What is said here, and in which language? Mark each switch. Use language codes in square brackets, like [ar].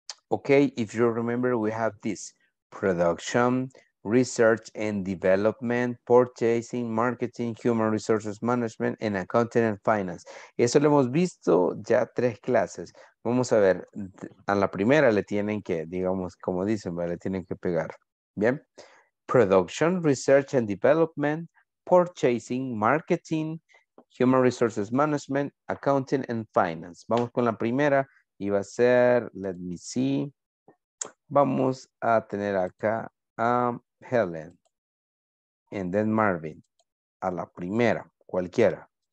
[en] Okay, if you remember, we have this production, research and development, purchasing, marketing, human resources management, and accounting and finance. [es] Eso lo hemos visto ya tres clases. Vamos a ver, a la primera le tienen que, digamos, como dicen, ¿vale? Le tienen que pegar. [en] Bien, production, research and development, purchasing, marketing, human resources management, accounting and finance. [es] Vamos con la primera. Y va a ser, [en] let me see, [es] vamos a tener acá a Helen, [en] and then Marvin, [es] a la primera, cualquiera.